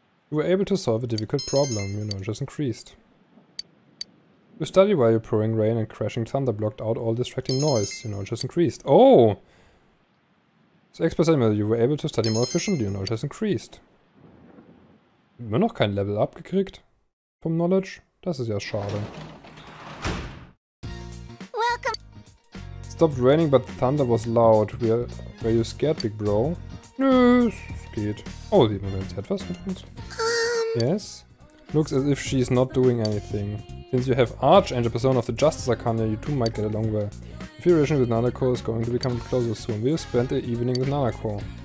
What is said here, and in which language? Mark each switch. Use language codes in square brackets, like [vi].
[en] You were able to solve a difficult problem. Your knowledge has increased. You study while your pouring rain and crashing thunder blocked out all distracting noise. Your knowledge has increased. Oh! So, expert, you were able to study more efficiently. Your knowledge has increased. [de] Immer noch kein Level up gekriegt vom Knowledge. Das ist ja schade. [en] Welcome. Stopped raining, but the thunder was loud. Were you scared, big bro? [de] Nö, es geht. Oh, sieht man, sie hat was mit uns. [en] Yes. Looks as if she's not doing anything. Since you have Archangel, Persona of the Justice Arcana, you two might get along well. If your relation with Nanako is going to become closer soon, we'll spend the evening with Nanako.